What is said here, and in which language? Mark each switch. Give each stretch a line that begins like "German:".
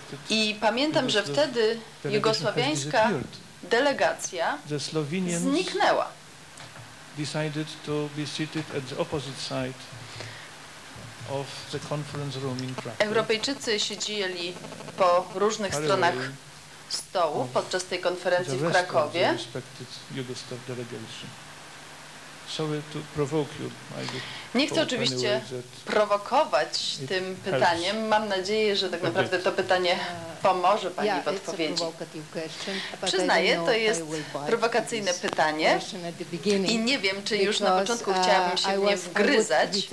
Polish: I pamiętam, że wtedy jugosłowiańska delegacja zniknęła.
English: Decided to be seated at the opposite side of the conference room in Krakow.
Polish: Europejczycy siedzieli po różnych stronach stołu podczas tej konferencji w Krakowie.
English: The respected Yugoslav delegation. Sorry to provoke you.
Polish: Nie chcę oczywiście prowokować tym pytaniem. Mam nadzieję, że tak naprawdę to pytanie pomoże Pani w odpowiedzi. Przyznaję, to jest prowokacyjne pytanie i nie wiem, czy już na początku chciałabym się w nie wgryzać.